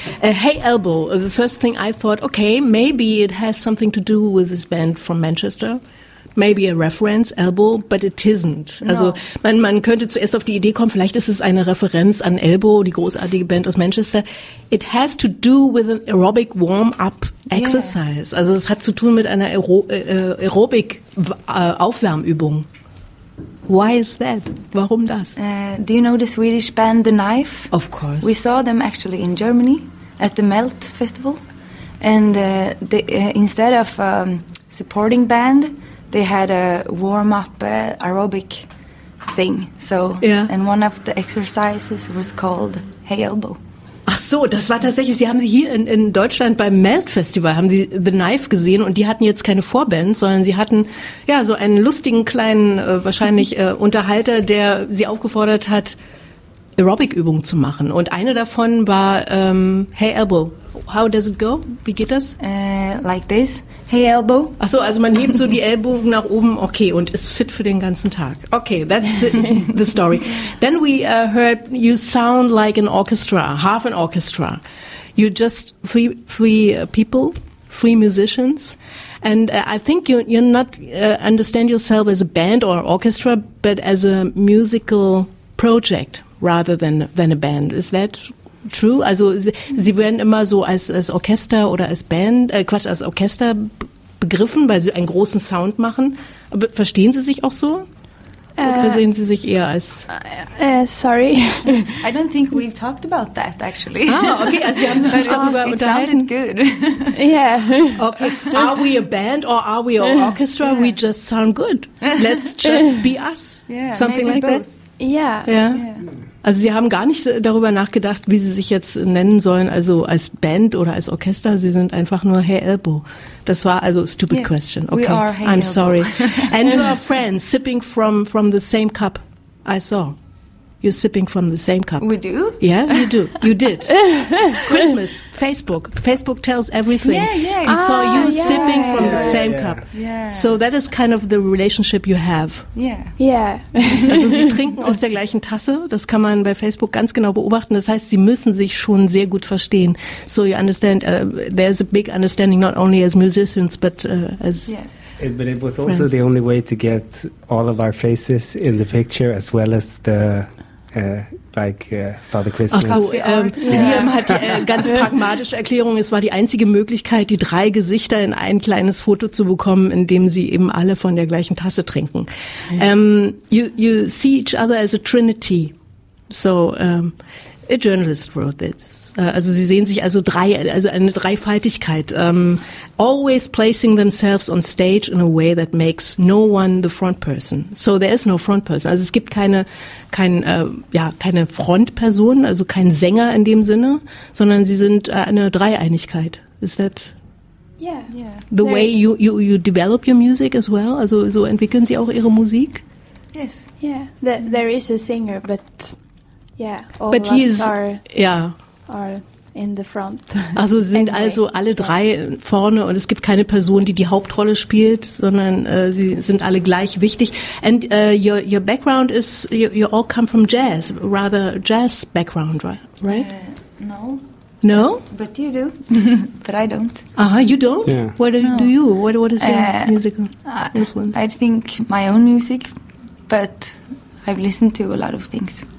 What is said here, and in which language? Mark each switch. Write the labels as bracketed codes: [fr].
[en] Hey Elbow, the first thing I thought, okay, maybe it has something to do with this band from Manchester. Maybe a reference, Elbow, but it isn't. No. [de] Also man könnte zuerst auf die Idee kommen, vielleicht ist es eine Referenz an Elbow, die großartige Band aus Manchester. [en] It has to do with an aerobic warm-up exercise. Yeah. [de] Also es hat zu tun mit einer aerobic Aufwärmübung. [en] Why is that? [de] Warum das? [en] Do you know the Swedish band The Knife? Of course. We saw them actually in Germany at the Melt Festival. And instead of supporting band, they had a warm-up aerobic thing. So, yeah. And one of the exercises was called Hey Elbow. [de] Ach so, das war tatsächlich, Sie haben sie hier in Deutschland beim Melt Festival, haben Sie The Knife gesehen und die hatten jetzt keine Vorband, sondern sie hatten ja so einen lustigen kleinen, wahrscheinlich Unterhalter, der sie aufgefordert hat, Aerobic-Übungen zu machen. Und eine davon war Hey Elbow. [en] How does it go? [de] Wie geht das? [en] Like this. Hey Elbow. [de] Ach so, also man hebt so die Ellbogen nach oben, okay, und ist fit für den ganzen Tag. [en] Okay, that's the story. Then we heard you sound like an orchestra, half an orchestra. You're just three people, three musicians. And I think you're not understand yourself as a band or orchestra, but as a musical project rather than a band. Is that true? [de] Also sie werden immer so als Orchester oder als Band, als Orchester begriffen, weil sie einen großen Sound machen. Aber verstehen Sie sich auch so? Oder sehen Sie sich eher als... [en] Sorry. I don't think we've talked about that, actually. [de] Ah, okay, also Sie haben sich nicht darüber unterhalten. [en] It sounded good. Yeah. Okay, are we a band or are we an orchestra? Yeah. We just sound good. Let's just be us. Yeah, something maybe like both. That. Yeah. Yeah. [de] Also Sie haben gar nicht darüber nachgedacht, wie Sie sich jetzt nennen sollen, also als Band oder als Orchester. Sie sind einfach nur Hey Elbow. Das war also [en] a stupid question. [de] Okay, [en] we are Hey I'm Elbow. Sorry. And you are friends sipping from the same cup I saw. You're sipping from the same cup. We do? Yeah, you do. You did. Christmas, Facebook. Facebook tells everything. Yeah, yeah. I saw you yeah. sipping from yeah, the yeah, same yeah. cup. Yeah. So that is kind of the relationship you have. Yeah. Yeah. [de] Also Sie trinken aus der gleichen Tasse. Das kann man bei Facebook ganz genau beobachten. Das heißt, Sie müssen sich schon sehr gut verstehen. [en] So you understand, there's a big understanding, not only as musicians, but as... Yes. But it was also the only way to get all of our faces in the picture, as well as the, Father Christmas. [de] Ach so, Liam hat ganz pragmatische Erklärung. Es war die einzige Möglichkeit, die drei Gesichter in ein kleines Foto zu bekommen, in dem sie eben alle von der gleichen Tasse trinken. [en] You see each other as a trinity. So, a journalist wrote this. [de] Also sie sehen sich also drei, also eine Dreifaltigkeit. [en] Always placing themselves on stage in a way that makes no one the front person. So there is no front person. [de] Also es gibt keine Frontperson, also kein Sänger in dem Sinne, sondern sie sind eine Dreieinigkeit. [en] Is that the way you develop your music as well? [de] Also so entwickeln sie auch ihre Musik? [en] Yes. Yeah. There is a singer, but all but of us are... Yeah. Are in the front. [de] Also sind also alle drei vorne und es gibt keine Person, die die Hauptrolle spielt, sondern sie sind alle gleich wichtig. [en] And your background is, you all come from jazz, rather jazz background, right? No. But you do, but I don't. Uh-huh, you don't? Yeah. What do you? What is your musical influence? I think my own music, but I've listened to a lot of things.